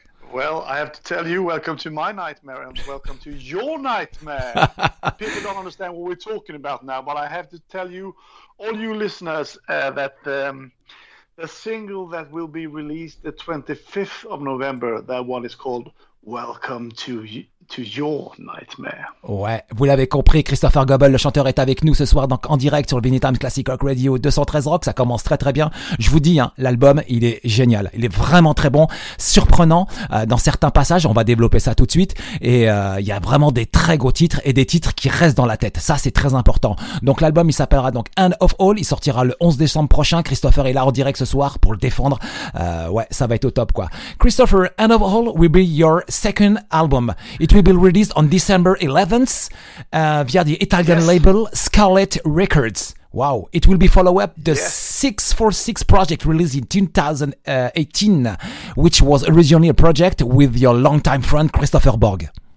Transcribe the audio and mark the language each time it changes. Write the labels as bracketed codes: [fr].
[en] Well, I have to tell you, welcome to my nightmare and welcome to your nightmare. People don't understand what we're talking about now, but I have to tell you, all you listeners, that the single that will be released the 25th of November, that one is called Welcome to You. To your nightmare. [fr] Ouais, vous l'avez compris, Christopher Goebel, le chanteur, est avec nous ce soir, donc en direct sur le Vinny Times Classic Rock Radio 213 Rock. Ça commence très très bien. Je vous dis, hein, l'album, il est génial. Il est vraiment très bon, surprenant dans certains passages. On va développer ça tout de suite. Et il y a vraiment des très gros titres et des titres qui restent dans la tête. Ça, c'est très important. Donc l'album, il s'appellera donc End of All. Il sortira le 11 décembre prochain. Christopher est là en direct ce soir pour le défendre. Ouais, ça va être au top, quoi. [en] Christopher, End of All will be your second album. It will be released on December 11th via the Italian label Scarlet Records. Wow. It will be followed up the 646 project released in 2018, which was originally a project with your longtime friend Christopher Borg.